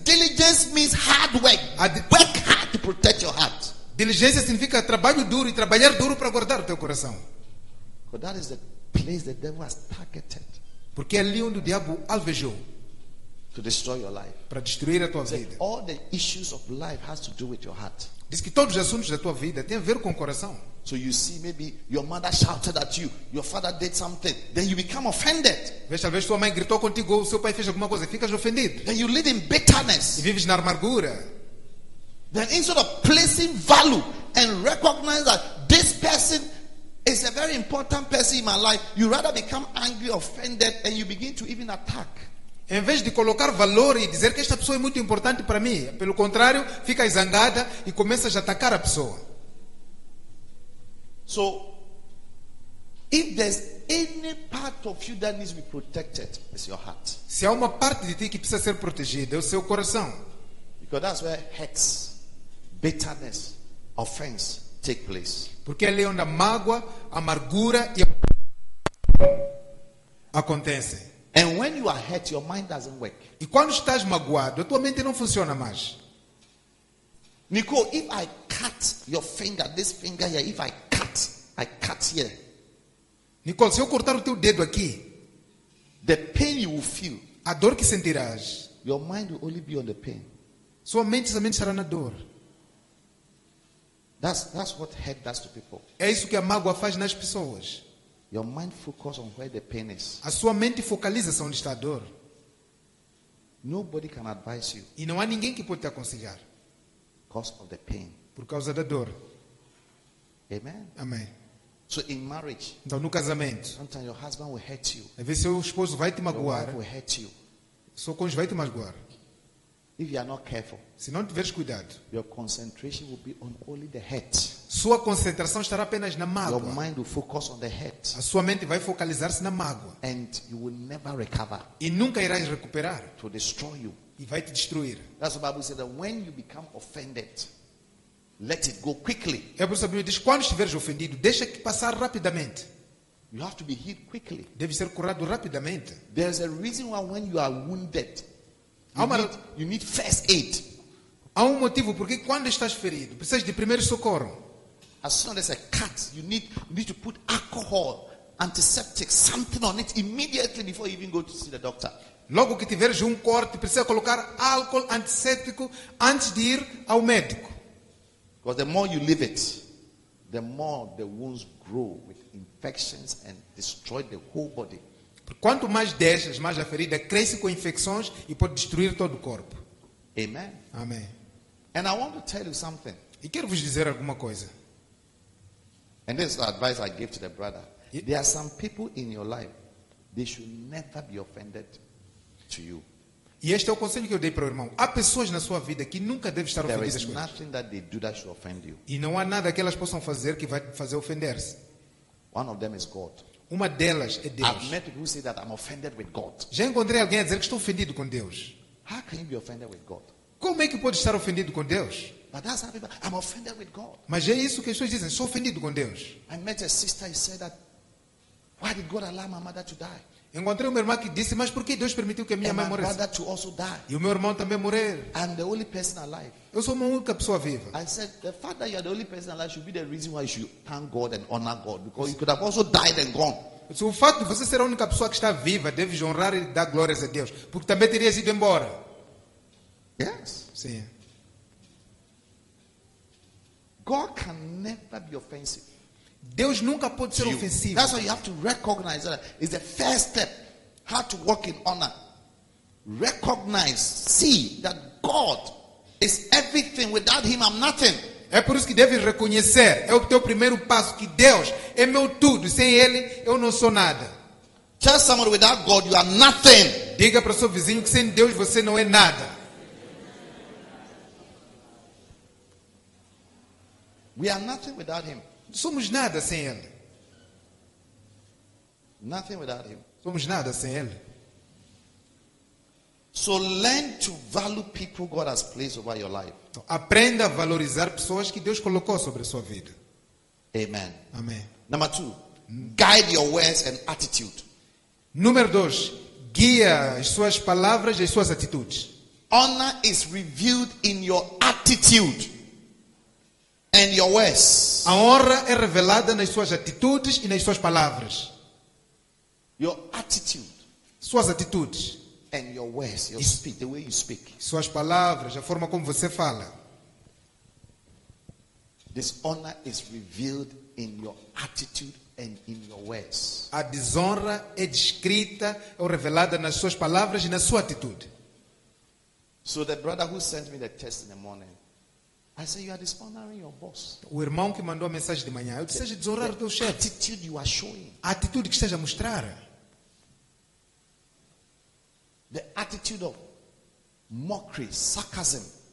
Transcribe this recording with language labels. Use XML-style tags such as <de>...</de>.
<en>Diligence means hard work. Work hard to protect your heart.</en> <pt>Diligência significa trabalho duro e trabalhar duro para guardar o teu coração.</pt> <en>But that is the place the devil has targeted.</en> <pt>Porque é ali onde o diabo alvejou.</pt> <en>To destroy your life.</en> <pt>Para destruir a tua vida.</pt> <en>All the issues of life has to do with your heart.</en> <pt>Diz que todos os assuntos da tua vida têm a ver com o coração.</pt> <en>So you see, maybe your mother shouted at you, your father did something, then you become offended.</en> <pt>Veja, talvez tua mãe gritou contigo, seu pai fez alguma coisa, ficas ofendido.</pt> <en>Then you live in bitterness.</en> <pt>E vives na amargura.</pt> <en>Then instead of placing value and recognize that this person is a very important person in my life, you rather become angry, offended, and you begin to even attack.</en> <pt>Em vez de colocar valor e dizer que esta pessoa é muito importante para mim, pelo contrário, fica zangada e começa a atacar a pessoa.</pt> <en>So, if there's any part of you that needs to be protected, it's your heart.</en> <pt>Se há uma parte de ti que precisa ser protegida, é o seu coração.</pt> <en>Because that's where hurts, bitterness, offense take place.</en> <pt>Porque é ali onde a mágoa, a amargura e a... acontece.</pt> <en>And when you are hurt, your mind doesn't work.</en> <pt>E quando estás magoado, a tua mente não funciona mais.</pt> <en>Nico, if I cut your finger, this finger here, if I cut here.</en> <pt>Nico, se eu cortar o teu dedo aqui,</pt> <en>the pain you will feel.</en> <pt>A dor que sentirás.</pt> <en>Your mind will only be on the pain.</en> <pt>Sua mente somente estará na dor.</pt> <en>That's what hurt does to people.</en> <pt>É isso que a mágoa faz nas pessoas.</pt> <en>Your mind focuses on where the pain is.</en> <pt>A sua mente focaliza onde está a dor.</pt> <en>Nobody can advise you.</en> <pt>E não há ninguém que pode te aconselhar.</pt> <en>Cause of the pain.</en> <pt>Por causa da dor.</pt> <en>Amen.</en> <pt>Amém.</pt> <en>So in marriage.</en> <pt>Então no casamento.</pt> <en>Sometimes your husband will hurt you.</en> <pt>Às vezes seu esposo vai te magoar.</pt> <en>Your wife will hurt you.</en> <pt>Seu cônjuge vai te magoar.</pt> <en>If you are not careful.</en> <pt>Se não tiveres cuidado.</pt> <en>Your concentration will be on only the hurt.</en> <pt>Sua concentração estará apenas na mágoa.</pt> <en>Your mind will focus on the hurt.</en> <pt>A sua mente vai focalizar-se na mágoa.</pt> <en>And you will never recover.</en> <pt>E nunca irás recuperar.</pt> <en>It will destroy you.</en> <pt>E vai te destruir.</pt> <en>That's what the Bible says, that when you become offended, let it go quickly.</en> <pt>É por isso que a Bíblia diz, quando estiveres ofendido, deixa que passar rapidamente.</pt> <en>You have to be healed quickly.</en> <pt>Deve ser curado rapidamente.</pt> <en>There's a reason why when you are wounded, you need first aid.</en> <pt>Há um motivo porque quando estás ferido, precisas de primeiro socorro.</pt> <en>As soon as there's a cut, you need to put alcohol, antiseptic, something on it immediately before you even go to see the doctor.</en> <pt>Logo que tiveres um corte, precisa colocar álcool antisséptico antes de ir ao médico.</pt> <en>Because the more you leave it, the more the wounds grow with infections and destroy the whole body.</en> <pt>Quanto mais deixas, mais a ferida cresce com infecções e pode destruir todo o corpo.</pt> <en>Amen.</en> <pt>Amém.</pt> <en>And I want to tell you something.</en> <pt>E quero vos dizer alguma coisa.</pt> <en>And this is the advice I give to the brother. There are some people in your life, they should never be offended to you.</en> <pt>E este é o conselho que eu dei para o irmão. Há pessoas na sua vida que nunca devem estar</pt> <en>there</en> <pt>ofendidas.</pt> <en>There is nothing that they do that should offend you.</en> <pt>E não há nada que elas possam fazer que vai fazer ofender-se.</pt> <en>One of them is God.</en> <pt>Uma delas é Deus.</pt> <en>I've met people who say that I'm offended with God.</en> <pt>Já encontrei alguém a dizer que estou ofendido com Deus.</pt> <en>How can you be offended with God?</en> <pt>Como é que pode estar ofendido com Deus?</pt> <en>But that's how people, I'm offended with God.</en> <pt>Mas é isso que as pessoas dizem, sou ofendido com Deus.</pt> <en>I met a sister who said that, why did God allow my mother to die?</en> <pt>Encontrei uma irmã que disse, mas por que Deus permitiu que a minha</pt> <en>and</en> <pt>mãe morresse?</pt> <en>To also die.</en> <pt>E o meu irmão também morrer.</pt> <en>I'm the only person alive.</en> <pt>Eu sou uma única pessoa viva.</pt> <en>I said the fact that you are the only person alive should be the reason why you should thank God and honor God, because you could have also died and gone.</en> <pt>Disse, o fato de você ser a única pessoa que está viva deve honrar e dar glórias a Deus, porque também teria ido embora.</pt> <en>Yes.</en> <pt>Sim.</pt> <en>God can never be offensive.</en> <pt>Deus nunca pode ser ofensivo.</pt> <en>That's why you have to recognize that is the first step how to walk in honor. Recognize, see that God is everything. Without him I'm nothing.</en> <pt>É por isso que deve reconhecer. É o teu primeiro passo, que Deus é meu tudo. Sem ele eu não sou nada.</pt> <en>Tell someone without God you are nothing.</en> <pt>Diga para o seu vizinho que sem Deus você não é nada.</pt> <en>We are nothing without him.</en> <pt>Somos nada sem ele.</pt> <en>Nothing without him.</en> <pt>Somos nada sem ele.</pt> <en>So learn to value people God has placed over your life.</en> <pt>Então, aprenda a valorizar pessoas que Deus colocou sobre a sua vida.</pt> <en>Amen.</en> <pt>Amém.</pt> <en>Number two, guide your words and attitude.</en> <pt>Número dois, guia as suas palavras e as suas atitudes.</pt> <en>Honor is revealed in your attitude and your words.</en> <pt>A honra é revelada nas suas atitudes e nas suas palavras.</pt> <en>Your attitude.</en> <pt>Suas atitudes.</pt> <en>And your words, your speech, the way you speak.</en> <pt>Suas palavras, a forma como você fala.</pt> <en>This honor is revealed in your attitude and in your words.</en> <pt>A desonra é descrita ou revelada nas suas palavras e na sua atitude.</pt> <en>So the brother who sent me the text in the morning, I said, you are dishonoring your boss.</en> <pt>O irmão que mandou a mensagem de manhã, eu disse, é desonrar o teu chefe.</pt> <en>Attitude you are showing.</en> <pt>A atitude que esteja a mostrar.</pt> <en>The attitude of mockery, sarcasm.</en>